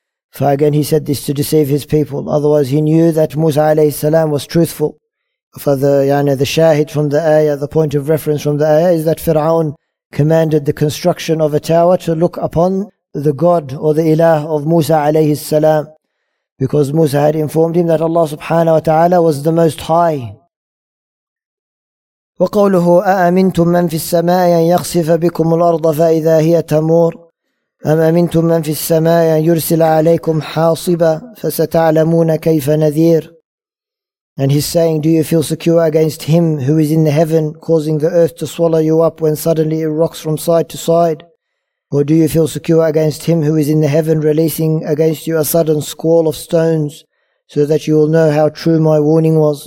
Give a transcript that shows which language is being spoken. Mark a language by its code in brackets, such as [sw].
[en] For again he said this to deceive his people otherwise he knew that Musa [ar] عليه السلام [en] was truthful For the يعني the shahid from the ayah the point of reference from the ayah is that Fir'aun commanded the construction of a tower to look upon the God or the Ilah of Musa alayhi salam because Musa had informed him that Allah subhanahu wa ta'ala was the most high. [ar] وقوله أأمنتم من في السماء أن يخسف بكم الأرض فإذا هي تمور أم أمنتم من في السماء أن يرسل عليكم حاصبا فستعلمون كيف نذير. [en] And he's saying, do you feel secure against him who is in the heaven causing the earth to swallow you up when suddenly it rocks from side to side? Or do you feel secure against him who is in the heaven releasing against you a sudden squall of stones so that you will know how true my warning was?